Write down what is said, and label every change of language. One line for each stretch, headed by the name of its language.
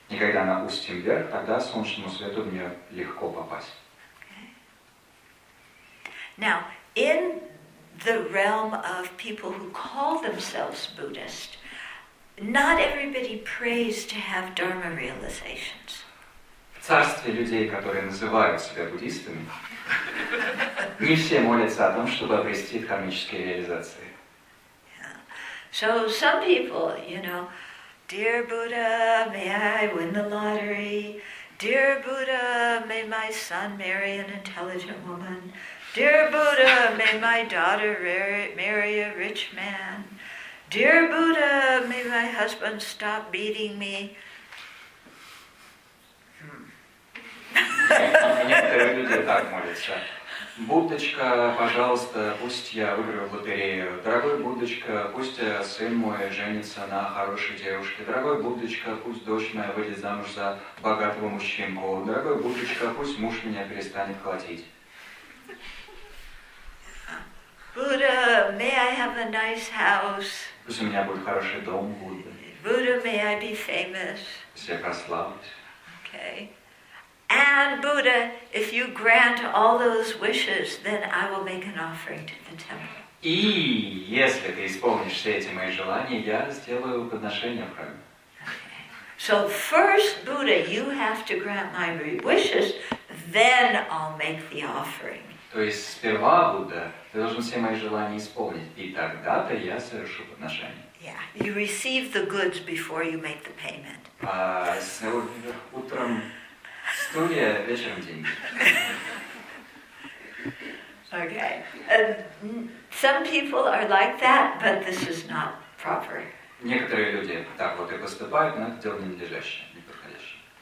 Russian: И когда она устьем вверх, тогда солнечному свету в нее легко попасть.
English: Okay. Now, in the realm of people who call themselves Buddhist, Not everybody prays to have dharma realizations.
Russian: В царстве людей, которые называют себя буддистами, не все молятся о том, чтобы обрести кармические реализации.
English: So some people, you know, dear Buddha, may I win the lottery. Dear Buddha, may my son marry an intelligent woman. Dear Buddha, may my daughter marry a rich man. Dear Buddha, may my husband stop beating me.
Russian: Некоторые люди так молятся. Буддочка, пожалуйста, пусть я выиграю в лотерею. Дорогой Буддочка, пусть сын мой женится на хорошей девушке. Дорогой Буддочка, пусть дочь моя выйдет замуж за богатого мужчину. Дорогой Буддочка, пусть муж меня перестанет колотить.
English: Buddha, may I have a nice house?
Russian: Пусть у меня будет хороший дом, Будда.
English: Buddha, may I be famous?
Russian: Пусть я прославлюсь.
English: Okay. And Buddha, if you grant all those wishes, then I will make an offering to the temple.
Russian: И если ты исполнишь все эти мои желания, я сделаю подношение в храме.
English: So first, Buddha, you have to grant my wishes, then I'll make the offering.
Russian: То есть сперва, Будда, ты должен все мои желания исполнить, и тогда-то я совершу подношение.
English: Yeah, you receive the goods before you make the payment.
Russian: Сегодня утром студия, вечером деньги.
English: Okay, and some people are like that, but this is not proper.
Russian: Некоторые люди так вот и поступают, но это дело ненадлежащее, неподходящее.